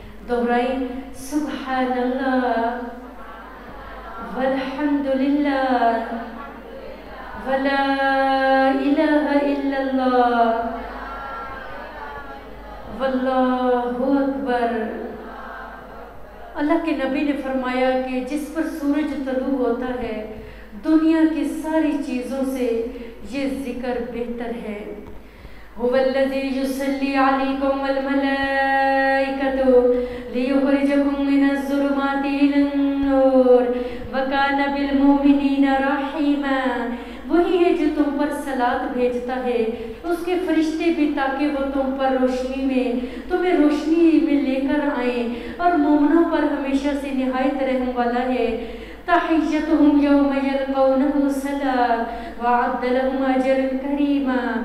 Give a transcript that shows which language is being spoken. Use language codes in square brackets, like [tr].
[ar] دوہرائی سبحان اللہ والحمد للہ ولا الہ الا اللہ واللہ اکبر. [ur] اللہ کے نبی نے فرمایا کہ جس پر سورج طلوع ہوتا ہے دنیا کی ساری چیزوں سے یہ ذکر بہتر ہے. [ar] هو الذي يصلي عليكم والملائكة ليخرجكم من الظلمات إلى النور وكان بالمؤمنين رحيما. [ur] وہی ہے جو تم پر صلات بھیجتا ہے اس کے فرشتے بھی تاکہ وہ تم پر روشنی میں تمہیں روشنی میں لے کر آئیں اور مومنوں پر ہمیشہ سے نہایت رحم والا ہے. [ar] تحیتهم یوم یلقونہ سلام وعد لهم اجرا کریما.